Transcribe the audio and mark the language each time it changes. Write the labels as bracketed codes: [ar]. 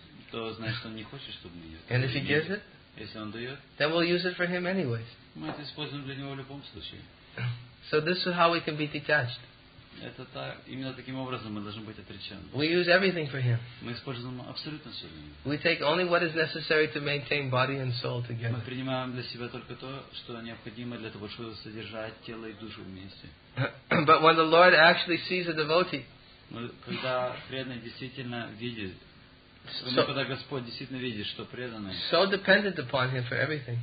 [ru] То значит, что он не хочет, чтобы мы ее. [en] And if he gives it, [ru] если он дает, [en] then we'll use it for him anyways. [ru] Мы это используем для него в любом случае. [en] So this is how we can be detached. [ru] Это так, именно таким образом мы должны быть отречены. [en] We use everything for him. [ru] Мы используем абсолютно все для него. [en] We take only what is necessary to maintain body and soul together. [ru] Мы принимаем для себя только то, что необходимо для того, чтобы содержать тело и душу вместе. [en] But when the Lord actually sees a devotee, [ru] когда преданный действительно видит, когда Господь действительно видит, что преданный, [en] so dependent upon him for everything,